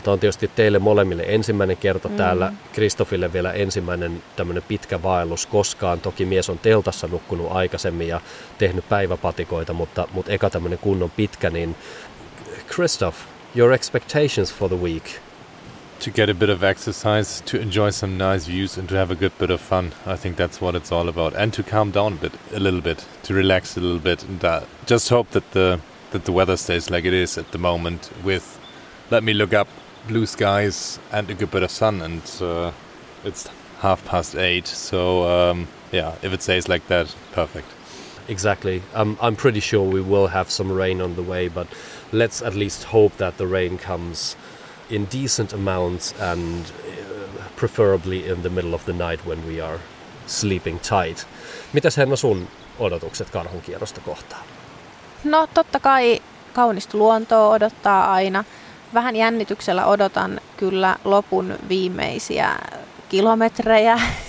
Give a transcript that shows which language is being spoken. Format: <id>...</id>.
<fi>Tämä on tietysti teille molemmille ensimmäinen kerta täällä, Kristoffille vielä ensimmäinen tämmöinen pitkä vaellus koskaan. Toki mies on teltassa nukkunut aikaisemmin ja tehnyt päiväpatikoita, mutta eka tämmöinen kunnon pitkä, niin Christoph,</fi> <en>your expectations for the week? To get a bit of exercise, to enjoy some nice views and to have a good bit of fun. I think that's what it's all about. And to calm down a little bit, to relax a little bit. And just hope that the weather stays like it is at the moment with, let me look up, blue skies and a good bit of sun. And it's 8:30, so if it stays like that, perfect. Exactly. I'm pretty sure we will have some rain on the way, but let's at least hope that the rain comes in decent amounts and preferably in the middle of the night when we are sleeping tight.</en> <fi>Mitäs Henna sun odotukset karhunkierrosta kohtaan? No totta kai kaunista luontoa odottaa aina. Vähän jännityksellä odotan kyllä lopun viimeisiä kilometrejä.</fi>